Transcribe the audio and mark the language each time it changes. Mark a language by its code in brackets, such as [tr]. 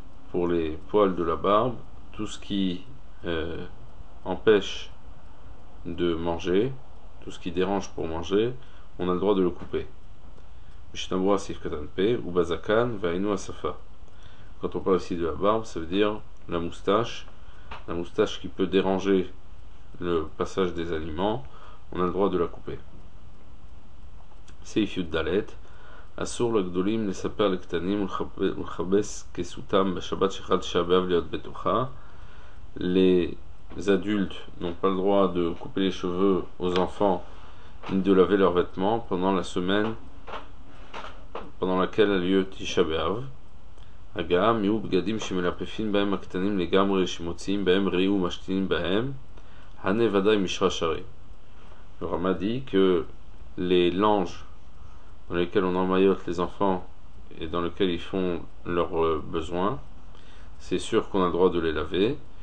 [fr] Pour les poils de la barbe, tout ce qui empêche de manger, tout ce qui dérange pour manger, on a le droit de le couper. Mishnabura Seifkatan P, ou Bazakan, vainu asafa. Quand on parle ici de la barbe, ça veut dire la moustache qui peut déranger le passage des aliments, on a le droit de la couper. [he] Seifut Dalet, אסור לגדולים לספר לקטנים ולחבס כסותם בשבת שחל תשעה באב להיות בטוחה. [fr] Les adultes n'ont pas le droit de couper les cheveux aux enfants ni de laver leurs vêtements pendant la semaine pendant laquelle a lieu תשעה באב. [he] אגם יהיו בגדים שמלפפים בהם הקטנים לגמרי שמוציאים בהם ראי ומשתינים בהם הנה ודאי משרה שרי. [fr] Le Rama dit que les langes dans lesquels on emmaillote les enfants et dans lesquels ils font leurs besoins, c'est sûr qu'on a le droit de les laver.